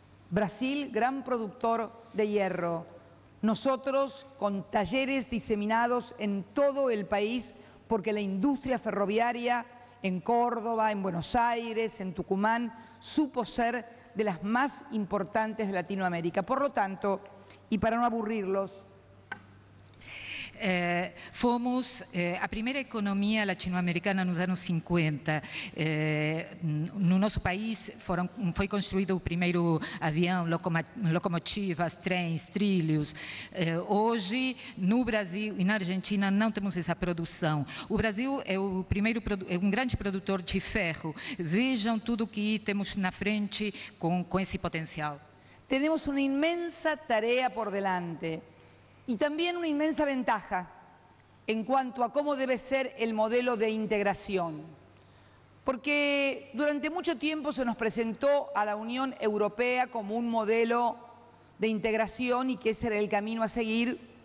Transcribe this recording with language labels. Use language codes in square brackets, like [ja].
[es] Brasil, gran productor de hierro. Nosotros con talleres diseminados en todo el país porque la industria ferroviaria en Córdoba, en Buenos Aires, en Tucumán, supo ser de las más importantes de Latinoamérica. Por lo tanto, y para no aburrirlos, [pt] fomos a primeira economia latino-americana nos anos 50. No nosso país foi construído o primeiro avião, locomotivas, trens, trilhos. Hoje, no Brasil e na Argentina, não temos essa produção. O Brasil é um grande produtor de ferro. Vejam tudo o que temos na frente com esse potencial. Temos uma imensa tarefa [es] por delante. Y también una inmensa ventaja en cuanto a cómo debe ser el modelo de integración. Porque durante mucho tiempo se nos presentó a la Unión Europea como un modelo de integración y que ese era el camino a seguir.